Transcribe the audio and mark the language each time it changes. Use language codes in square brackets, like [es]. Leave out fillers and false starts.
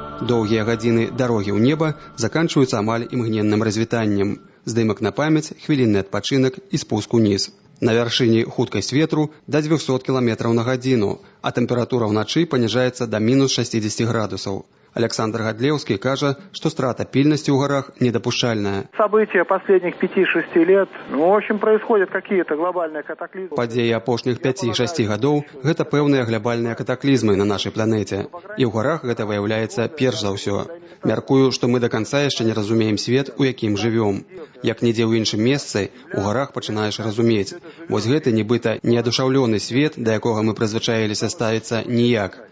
[be] Доўгія гадзіны дарогі ў неба заканчваюцца амаль імгненным развітаннем. Здымак на памяць, хвілінны адпачынак і спуск уніз. На вяршыні хуткасць ветру да 200 км на гадзіну, а тэмпература ўначы паніжаецца да мінус 60 градусаў. Александр Гадлеўскі кажа, што страта пільнасці ў гарах недапушчальная. [ru] События последних 5-6 лет, ну, в общем, происходят какие-то глобальные катаклизмы. [be] Падзеі апошніх 5-6 гадоў – гэта пэўныя глобальныя катаклізмы на нашай планеце. І ў гарах гэта выяўляецца перш за ўсё. Мяркую, што мы да канца яшчэ не разумеем свет, у якім жывём. Як нідзе ў іншым месцы, у гарах пачынаеш разумець, Вось гэта нібыта неадушаўлёны свет, да якога мы прызвычаіліся ставіцца ніяк.